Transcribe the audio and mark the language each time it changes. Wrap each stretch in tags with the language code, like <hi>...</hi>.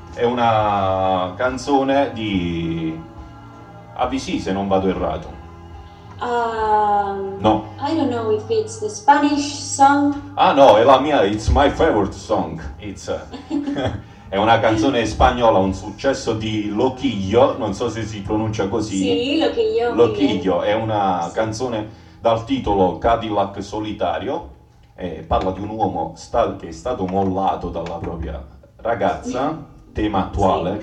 <it>È una canzone di Avicii, se non vado errato. No.</it> <en>I don't know if it's the Spanish song.</en> <it>Ah no, è la mia,</it> <en>it's my favorite song. It's...</en> <it>È una canzone spagnola, un successo di Loquillo, non so se si pronuncia così. Sì, Loquillo. Loquillo è una canzone dal titolo Cadillac Solitario, parla di un uomo che è stato mollato dalla propria ragazza, tema attuale,</it>